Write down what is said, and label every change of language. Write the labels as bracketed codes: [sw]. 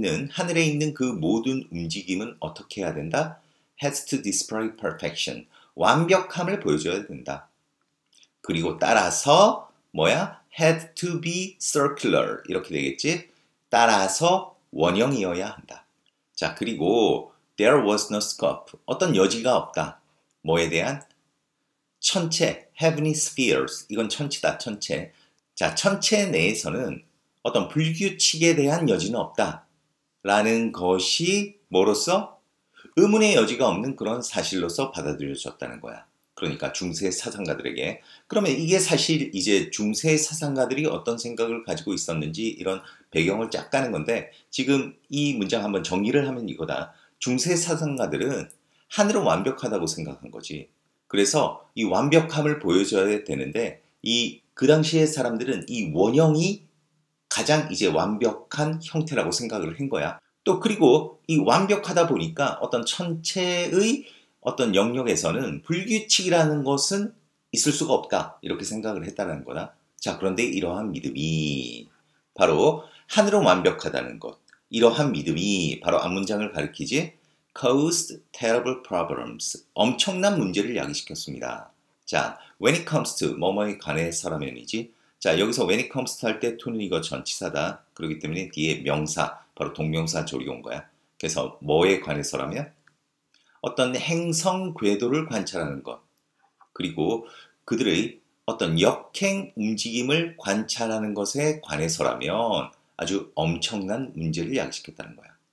[ko] 하늘에 있는 그 모든 움직임은 어떻게 해야 된다? [en] Has to display perfection. [ko] 완벽함을 보여줘야 된다. 그리고 따라서 뭐야? [en] Had to be circular. [ko] 이렇게 되겠지? 따라서 원형이어야 한다. 자, 그리고 [en] there was no scope. [ko] 어떤 여지가 없다. 뭐에 대한? 천체, [en] heavenly spheres. [ko] 이건 천체다, 천체. 자, 천체 내에서는 어떤 불규칙에 대한 여지는 없다. 라는 것이 뭐로써? 의문의 여지가 없는 그런 사실로서 받아들여졌다는 거야. 그러니까 중세 사상가들에게. 그러면 이게 사실 이제 중세 사상가들이 어떤 생각을 가지고 있었는지 이런 배경을 쫙 까는 건데 지금 이 문장 한번 정리를 하면 이거다. 중세 사상가들은 하늘은 완벽하다고 생각한 거지. 그래서 이 완벽함을 보여줘야 되는데 이 그 당시의 사람들은 이 원형이 가장 이제 완벽한 형태라고 생각을 한 거야. 또 그리고 이 완벽하다 보니까 어떤 천체의 어떤 영역에서는 불규칙이라는 것은 있을 수가 없다. 이렇게 생각을 했다는 거다. 자, 그런데 이러한 믿음이 바로 하늘은 완벽하다는 것. 이러한 믿음이 바로 앞 문장을 가리키지. [en] Caused terrible problems. [ko] 엄청난 문제를 야기시켰습니다. [en] 자, when it comes to [ko] 뭐뭐에 관해서라면이지. 자, 여기서 [en] when it comes to [ko] 할 때 to는 이거 전치사다. 그렇기 때문에 뒤에 명사, 바로 동명사 조리 온 거야. 그래서 뭐에 관해서라면? 어떤 행성 궤도를 관찰하는 것. 그리고 그들의 어떤 역행 움직임을 관찰하는 것에 관해서라면 아주 엄청난 문제를 야기시켰다는 거야.